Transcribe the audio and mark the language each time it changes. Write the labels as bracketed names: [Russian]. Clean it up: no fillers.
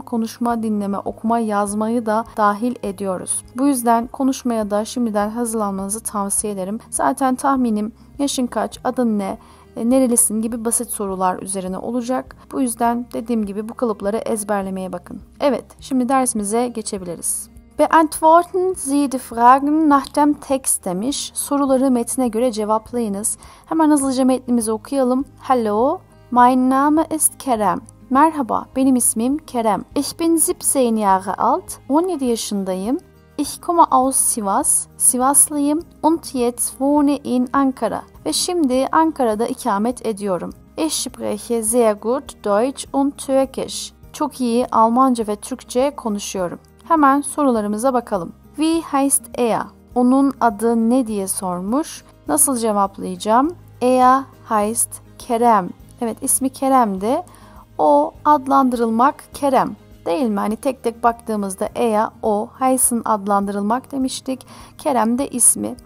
[Turkish] Konuşma, dinleme, okuma, yazmayı da dahil ediyoruz. Bu yüzden konuşmaya da şimdiden hazırlanmanızı tavsiye ederim. Zaten tahminim yaşın kaç, adın ne, nerelisin gibi basit sorular üzerine olacak. Bu yüzden dediğim gibi bu kalıpları ezberlemeye bakın. Evet, şimdi dersimize geçebiliriz. [German] Beantworten Sie die Fragen nach dem Text [Turkish] demiş. Soruları metne göre cevaplayınız. Hemen hızlıca metnimizi okuyalım. [German] Hello, mein Name ist Kerem. [Turkish] Merhaba, benim ismim Kerem. [German] Ich bin 17 Jahre alt. [Turkish] 17 yaşındayım. [German] Ich komme aus Sivas. [Turkish] Sivaslıyım. [German] Und jetzt wohne in Ankara. [Turkish] Ve şimdi Ankara'da ikamet ediyorum. [German] Ich spreche sehr gut Deutsch und Türkisch. [Turkish] Çok iyi Almanca ve Türkçe konuşuyorum. Hemen sorularımıza bakalım. [German] Wie heißt er? [Turkish] Onun adı ne diye sormuş. Nasıl cevaplayacağım? [German] Er heißt Kerem. [Turkish] Evet, ismi Kerem'di. O adlandırılmak Kerem değil mi? Hani tek tek baktığımızda Ea, O, Heysen adlandırılmak demiştik. Kerem de ismi.